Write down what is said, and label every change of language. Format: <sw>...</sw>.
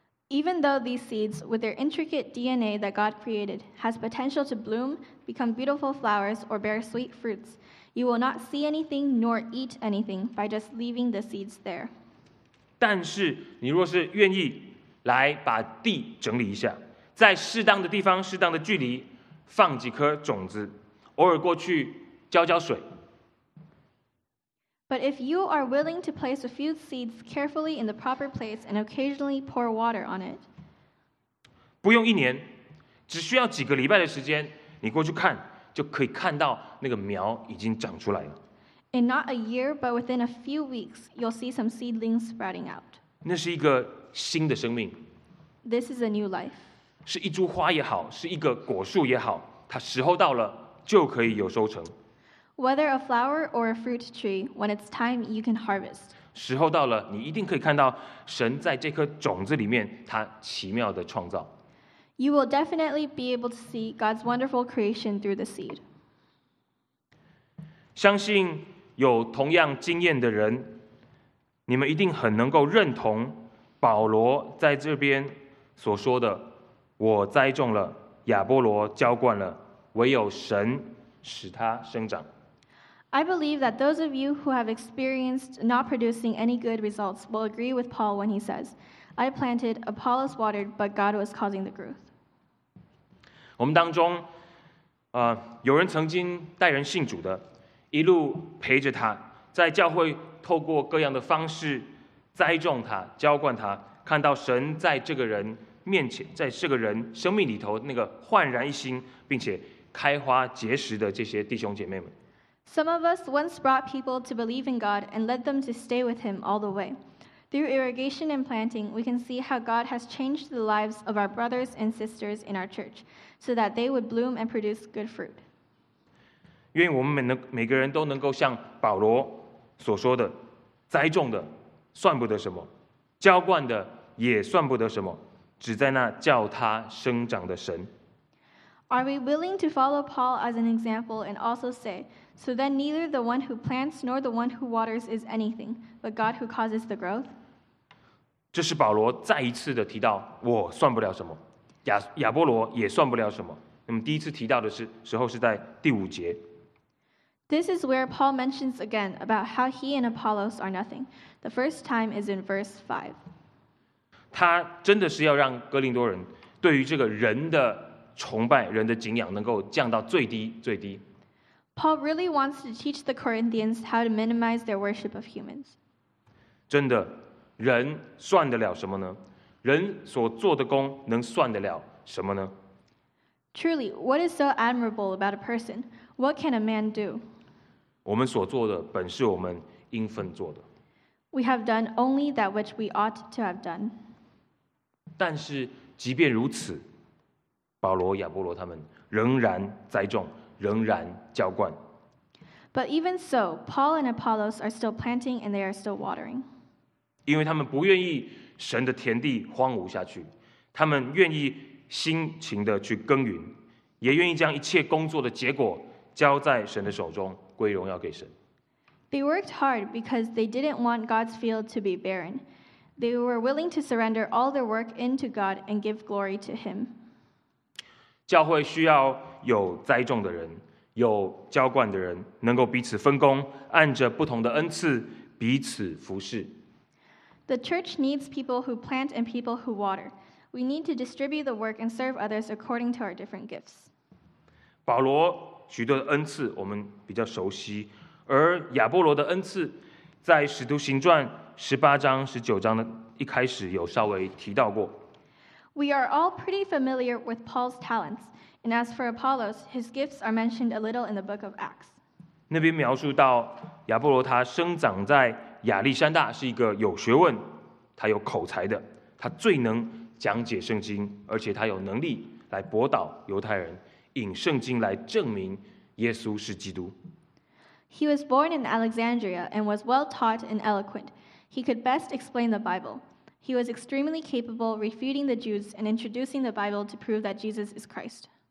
<en>Even though these seeds, with their intricate DNA that God created, has potential to bloom, become beautiful flowers, or bear sweet fruits, you will not see anything nor eat anything by just leaving the seeds there.</en> <zh>但是你若是愿意来把地整理一下，在适当的地方、适当的距离放几颗种子，偶尔过去浇浇水。</zh> <en>But if you are willing to place a few seeds carefully in the proper place and occasionally pour water on it,</en> <zh>不用一年，只需要几个礼拜的时间，你过去看就可以看到那个苗已经长出来了。</zh> <en>In not a year, but within a few weeks, you'll see some seedlings sprouting out.</en> <zh>那是一个新的生命。</zh> <en>This is a new life.</en> <zh>是一株花也好，是一个果树也好，它时候到了就可以有收成。</zh> <en>Whether a flower or a fruit tree, when it's time, you can harvest.</en> <zh>时候到了，你一定可以看到神在这颗种子里面他奇妙的创造。</zh> <en>You will definitely be able to see God's wonderful creation through the seed.</en> <zh>相信有同样经验的人，你们一定很能够认同保罗在这边所说的：“我栽种了，亚波罗浇灌了，唯有神使它生长。”</zh> <en>I believe that those of you who have experienced not producing any good results will agree with Paul when he says, I planted, Apollos watered, but God was causing the growth.</en> <zh>我们当中，有人曾经带人信主的，一路陪着他，在教会透过各样的方式栽种他、浇灌他，看到神在这个人面前，在这个人生命里头那个焕然一新，并且开花结实的这些弟兄姐妹们。</zh> <en>Some of us once brought people to believe in God and led them to stay with Him all the way. Through irrigation and planting, we can see how God has changed the lives of our brothers and sisters in our church so that they would bloom and produce good fruit.</en> <zh>愿我们每个人都能够像保罗所说的，栽种的算不得什么，浇灌的也算不得什么，只在那叫他生长的神。</zh> <en>Are we willing to follow Paul as an example and also say, So then neither the one who plants nor the one who waters is anything, but God who causes the growth?</en> <zh>这是保罗再一次的提到，我算不了什么，亚波罗也算不了什么。那么第一次提到的时候是在第五节。</zh> <en>This is where Paul mentions again about how he and Apollos are nothing. The first time is in verse 5.</en> <zh>他真的是要让哥林多人对于这个人的崇拜、人的敬仰能够降到最低、最低。</zh> <en>Paul really wants to teach the Corinthians how to minimize their worship of humans.</en> <zh>真的，人算得了什么呢？人所做的工能算得了什么呢？</zh> <en>Truly, what is so admirable about a person? What can a man do?</en> <zh>我们所做的本是我们应分做的。</zh> <en>We have done only that which we ought to have done.</en> <zh>但是，即便如此，保罗、亚波罗他们仍然栽种。仍然浇灌。</zh> <en>But even so, Paul and Apollos are still planting and they are still watering.</en> <zh>因为他们不愿意神的田地荒芜下去，他们愿意辛勤的去耕耘，也愿意将一切工作的结果交在神的手中，归荣耀给神。</zh> <en>They worked hard because they didn't want God's field to be barren. They were willing to surrender all their work into God and give glory to Him.</en> <zh>教会需要有栽种的人，有浇灌的人，能够彼此分工，按着不同的恩赐彼此服事。</zh> <en>The church needs people who plant and people who water. We need to distribute the work and serve others according to our different gifts.</en> <zh>保罗许多的恩赐我们比较熟悉，而亚波罗的恩赐在使徒行传十八章、十九章的一开始有稍微提到过。</zh> <en>We are all pretty familiar with Paul's talents, and as for Apollos, his gifts are mentioned a little in the book of Acts.</en> <zh>那边描述到亚波罗他生长在亚历山大，是一个有学问、他有口才的，他最能讲解圣经，而且他有能力来驳倒犹太人，引圣经来证明耶稣是基督。</zh> <en>He was born in Alexandria and was well taught and eloquent. He could best explain the Bible. He was extremely capable refuting the Jews and introducing the Bible to prove that Jesus is Christ.</en>